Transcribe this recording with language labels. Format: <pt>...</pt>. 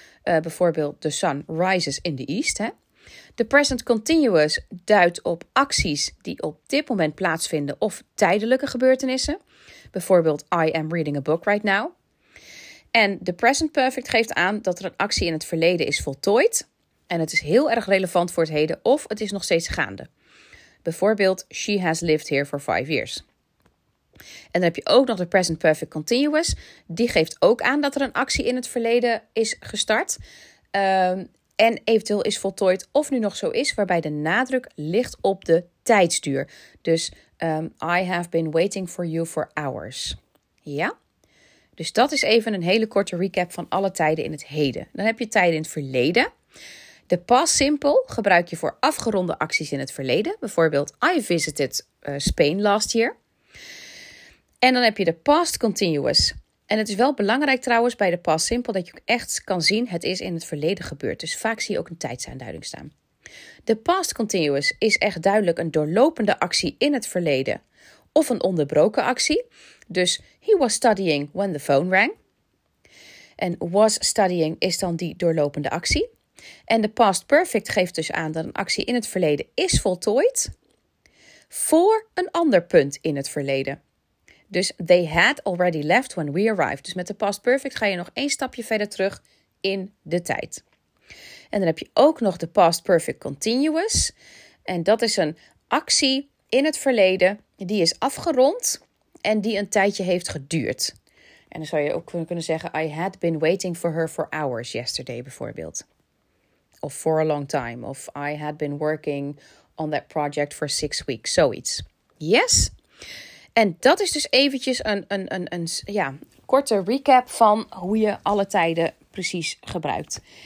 <nl>Bijvoorbeeld</nl> <en>the sun rises in the east.</en> <nl>Hè? The present continuous duidt op acties die op dit moment plaatsvinden of tijdelijke gebeurtenissen. Bijvoorbeeld</nl> <en>I am reading a book right now.</en> <nl>En the present perfect geeft aan dat er een actie in het verleden is voltooid. En het is heel erg relevant voor het heden of het is nog steeds gaande.</nl> <en>Bijvoorbeeld she has lived here for 5 years.</en> <nl>En dan heb je ook nog de present perfect continuous. Die geeft ook aan dat er een actie in het verleden is gestart. En eventueel is voltooid of nu nog zo is, waarbij de nadruk ligt op de tijdsduur.</nl> <en>Dus I have been waiting for you for hours.</en> <nl>Ja? Dus dat is even een hele korte recap van alle tijden in het heden. Dan heb je tijden in het verleden. De past simple gebruik je voor afgeronde acties in het verleden. Bijvoorbeeld</nl> <en>I visited Spain last year.</en> <nl>En dan heb je de past continuous. En het is wel belangrijk trouwens bij de past simple dat je ook echt kan zien het is in het verleden gebeurd. Dus vaak zie je ook een tijdsaanduiding staan. De past continuous is echt duidelijk een doorlopende actie in het verleden. Of een onderbroken actie.</nl> <en>Dus he was studying when the phone rang.</en> <nl>En was studying is dan die doorlopende actie. En de past perfect geeft dus aan dat een actie in het verleden is voltooid. Voor een ander punt in het verleden.</nl> <en>Dus they had already left when we arrived.</en> <nl>Dus met de past perfect ga je nog één stapje verder terug in de tijd. En dan heb je ook nog de past perfect continuous. En dat is een actie in het verleden die is afgerond en die een tijdje heeft geduurd. En dan zou je ook kunnen zeggen</nl> <en>I had been waiting for her for hours yesterday bijvoorbeeld. Of for a long time. Of I had been working on that project for 6 weeks.</en> <nl>Zoiets. Yes? En dat is dus eventjes een korte recap van hoe je alle tijden precies gebruikt.</nl>